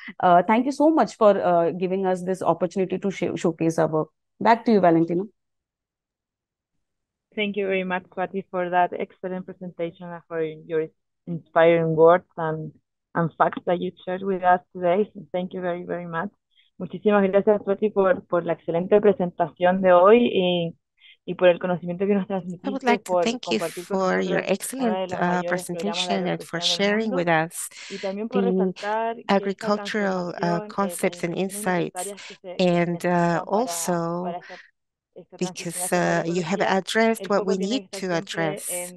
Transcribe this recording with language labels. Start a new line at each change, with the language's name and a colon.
English: Thank you so much for giving us this opportunity to showcase our work. Back to you, Valentino. Thank you very much, Swati, for that excellent presentation and for your inspiring words and facts that you shared with us today. Thank you very, very much.
Spanish: Muchísimas gracias, Swati, por la excelente presentación de hoy. Y por el conocimiento que nos transmitiste,
English: I would like to thank you for your excellent presentation and for sharing with us the agricultural concepts and insights, and also because you have addressed what we need to address.